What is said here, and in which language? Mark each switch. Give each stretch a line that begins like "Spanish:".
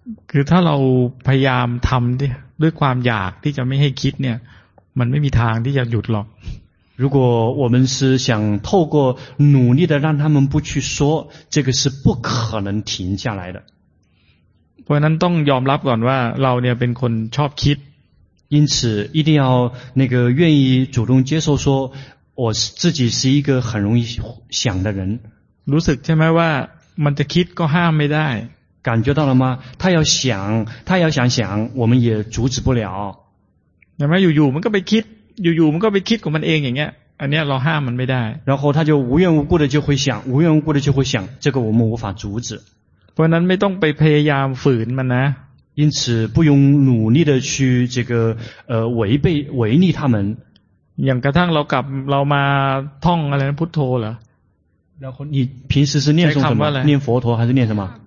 Thai: คือถ้าเราพยายามทำด้วยความอยากที่จะไม่ให้คิดเนี่ยมันไม่มีทางที่จะหยุดหรอก
Chinese: 如果我们是想透过努力的让他们不去说这个是不可能停下来的
Thai: เพราะนั้นต้องยอมรับก่อนว่าเราเนี่ยเป็นคนชอบคิด
Chinese: 因此一定要那个愿意主动接受说我自己是一个很容易想的人
Thai: รู้สึกใช่ไหมว่ามันจะคิดก็ห้ามไม่ได้
Chinese: 感觉到了吗他要想我们也阻止不了
Thai: เห็นไหมอยู่มันก็ไปคิดของมันเองอย่างเงี้ยอันเนี้ยเราห้ามมันไม่ได้
Chinese: 然后他就无缘无故的就会想无缘无故的就会想这个我们无法阻止
Thai: เพราะนั้นไม่ต้องไปพยายามฝืนมันนะ
Chinese: 因此不用努力的去这个违逆他们
Thai: อย่างกระทั่งเรามาท่องอะไรพุทโธเหรอ
Chinese: 然后你平时是念诵什么念佛陀还是念什么